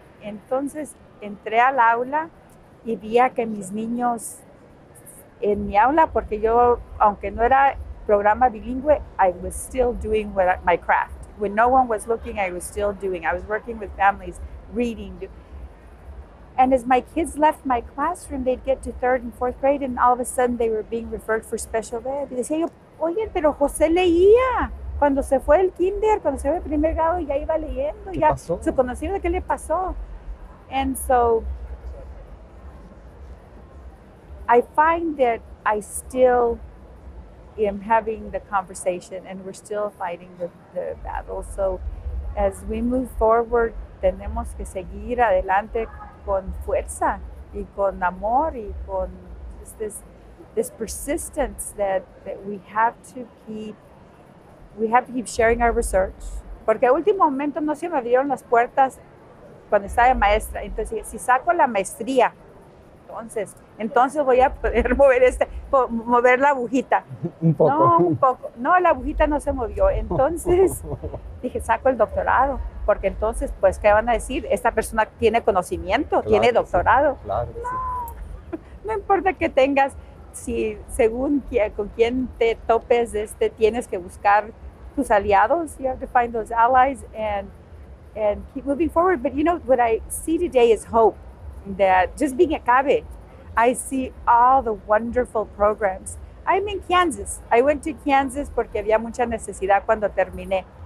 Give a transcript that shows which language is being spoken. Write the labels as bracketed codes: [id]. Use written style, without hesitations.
[es] Entonces entré al aula y vi a que mis niños en mi aula, porque yo, aunque no era programa bilingüe, [en] I was still doing my craft. When no one was looking, I was still doing. I was working with families, reading. And as my kids left my classroom, they'd get to third and fourth grade, and all of a sudden they were being referred for special ed. [es] Y decía yo, oye, pero José leía. Cuando se fue el kinder, cuando se fue el primer grado, ya iba leyendo. ¿Qué ya pasó? Su conocimiento, ¿qué le pasó? [en] And so, I find that I still am having the conversation, and we're still fighting the battle. So, as we move forward, [es] tenemos que seguir adelante con fuerza y con [en] amor y con this persistence that we have to keep. We have to keep sharing our research. [es] Porque al último momento no se me abrieron las puertas cuando estaba de maestra. Entonces, si saco la maestría, entonces voy a poder mover la agujita. Un poco. No, la agujita no se movió. Entonces, dije, saco el doctorado. Porque entonces, pues, ¿qué van a decir? Esta persona tiene conocimiento, claro, tiene doctorado. Sí, claro. No importa que tengas, si según con quién te topes, tienes que buscar tus aliados. [en] You have to find those allies and keep moving forward. But you know what I see today is hope, that just being at CABE, I see all the wonderful programs. I'm in Kansas. I went to Kansas [es] porque había mucha necesidad cuando terminé.